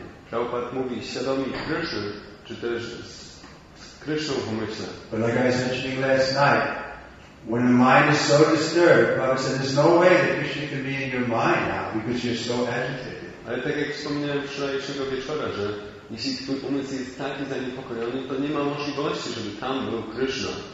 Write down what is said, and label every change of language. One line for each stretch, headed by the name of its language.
Polish: Prabhupada mówi, świadomi Krishny, czy też z Krishną w umyśle.
English: But like I was mentioning last night, when the mind is so disturbed, Prabhupada said, there's no way that Krishna can be in your mind now because you're so agitated.
Polish: Ale tak jak wspomniałem wczorajszego wieczora, że jeśli twój umysł jest taki zaniepokojony, to nie ma możliwości, żeby tam był Krishna.